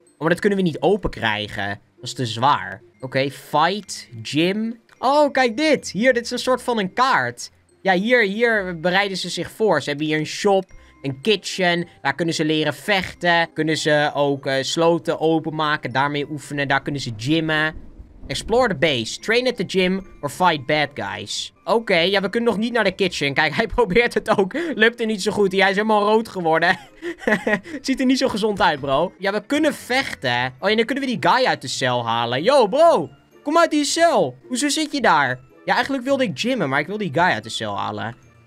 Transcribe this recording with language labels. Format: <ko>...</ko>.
<nl>Oh, maar dat kunnen we niet open krijgen. Dat is te zwaar. Oké, fight, gym. Oh, kijk dit. Hier, dit is een soort van een kaart. Ja, hier bereiden ze zich voor. Ze hebben hier een shop, een kitchen. Daar kunnen ze leren vechten. Kunnen ze ook sloten openmaken, daarmee oefenen. Daar kunnen ze gymmen.</nl> <en>Explore the base. Train at the gym or fight bad guys.</en> <nl>Oké, okay, ja, we kunnen nog niet naar de kitchen. Kijk, hij probeert het ook. Lukt er niet zo goed. Hij is helemaal rood geworden. Ziet er niet zo gezond uit, bro. Ja, we kunnen vechten. Oh, en dan kunnen we die guy uit de cel halen. Yo, bro. Kom uit die cel. Hoezo zit je daar? Ja, eigenlijk wilde ik gymmen, maar ik wil die guy uit de cel halen.</nl>